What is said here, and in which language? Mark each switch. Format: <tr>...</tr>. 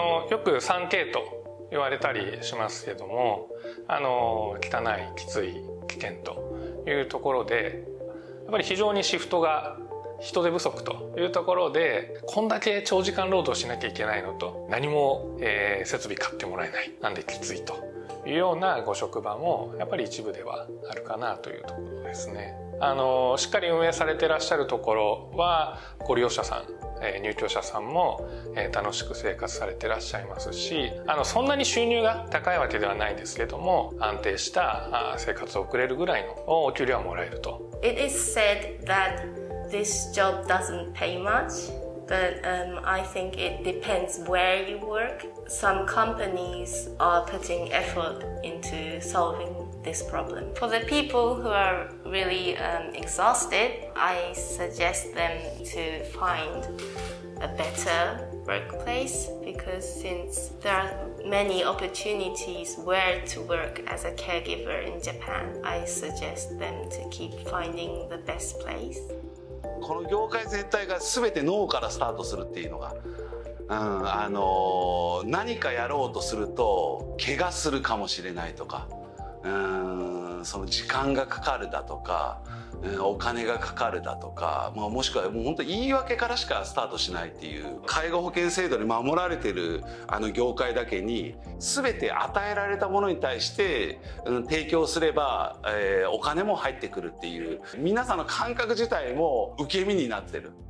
<ja>よく 3K と言われたりしますけども、汚い、きつい、危険というところで、やっぱり非常にシフトが人手不足というところで、こんだけ長時間労働しなきゃいけないのと、何も、設備買ってもらえない、なんできついというようなご職場もやっぱり一部ではあるかなというところですね。しっかり運営されてらっしゃるところはご利用者さん、入居者さんも、楽しく生活されてらっしゃいますし、そんなに収入が高いわけではないですけども、安定した生活を送れるぐらいのお給料はもらえると。</ja> <en>It is said that this job doesn't pay much, But I think it depends where you work. Some companies are putting effort into solving this problem. For the people who are really exhausted, I suggest them to find a better workplace, because since there are many opportunities where to work as a caregiver in Japan, I suggest them to keep finding the best place.</en> <ja>この業界全体が全て脳からスタートするっていうのが、うん、何かやろうとすると怪我するかもしれないとか、その時間がかかるだとか、お金がかかるだとか、まあ、もしくはもう本当に言い訳からしかスタートしないっていう、介護保険制度に守られてるあの業界だけに、全て与えられたものに対して、提供すれば、お金も入ってくるっていう、皆さんの感覚自体も受け身になってる。</ja>